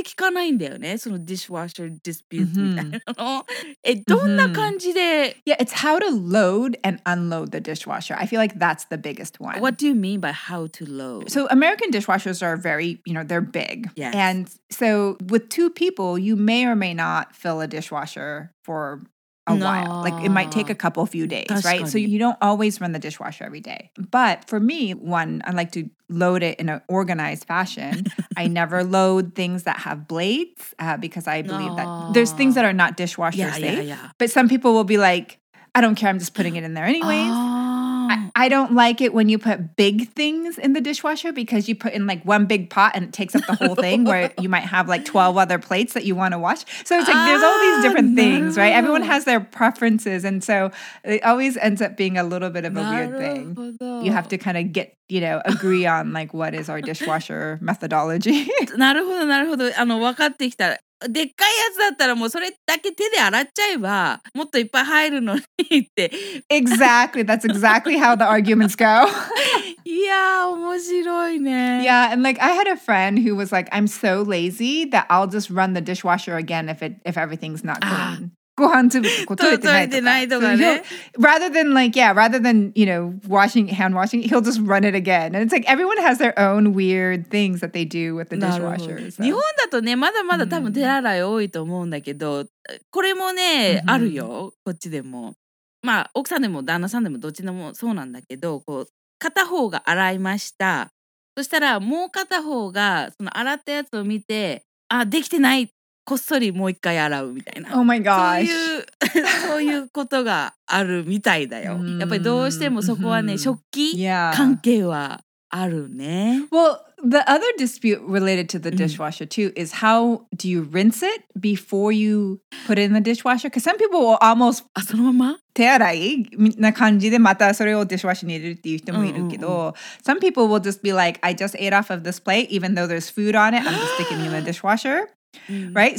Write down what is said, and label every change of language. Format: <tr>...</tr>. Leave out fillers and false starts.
<ja>こっちもディッシュワーシャー持ってる人はだいぶ増えたんだけど、やっぱりアメリカほどポピュラーじゃないから、あんまり聞かないんだよね、そのディッシュワーシャー disputeみたいなの。え、どんな感じで?</ja> <en>Yeah, it's how to load and unload the dishwasher. I feel like that's the biggest one. What do you mean by how to load? So American dishwashers are very, you know, they're big. Yes. And so with two people, you may or may not fill a dishwasher for a while. Like it might take a couple few days, right? So you don't always run the dishwasher every day. But for me, one, I like to load it in an organized fashion. I never load things that have blades because I believe that there's things that are not dishwasher safe. Yeah, yeah. But some people will be like, I don't care. I'm just putting it in there anyways. I don't like it when you put big things in the dishwasher because you put in like one big pot and it takes up the whole thing where you might have like 12 other plates that you want to wash. So it's like there's all these different things, right? Everyone has their preferences. And so it always ends up being a little bit of a weird thing. You have to kind of get, you know, agree on like what is our dishwasher methodology.</en> <ja>なるほど、なるほど。あの、分かってきた。でっかいやつだったらもうそれだけ手で洗っちゃえばもっといっぱい入るのにって</ja> <en>Exactly, that's exactly how the arguments go.</en> <ja>いやー面白いね</ja> <en>Yeah, and like I had a friend who was like I'm so lazy that I'll just run the dishwasher again if everything's not clean</en> <ja>ご飯粒こう取れてないとか, いとかね</ja> <en>Rather than like, yeah, rather than, you know, washing, hand washing, he'll just run it again. And it's like everyone has their own weird things that they do with the dishwasher.</en> <ja>日本だとね、まだまだ多分手洗い多いと思うんだけど、これもね、あるよ、こっちでも。まあ、奥さんでも旦那さんでもどっちでもそうなんだけど、こう、片方が洗いました。そしたらもう片方がその洗ったやつを見て、あ、できてないこっそりもう一回洗うみたいな。</ja> <en>Oh my gosh.</en> <ja>そういうことがあるみたいだよ。やっぱりどうしてもそこはね、食器関係はあるね。</ja> <en>Well, the other dispute related to the dishwasher too is how do you rinse it before you put it in the dishwasher? Because some people will almost</en> <ja>そのまま手洗いな感じでまたそれをディッシュワッシュに入れるっていう人もいるけど、</ja> <en>some people will just be like, I just ate off of this plate, even though there's food on it, I'm just sticking it in the dishwasher. Right?</en>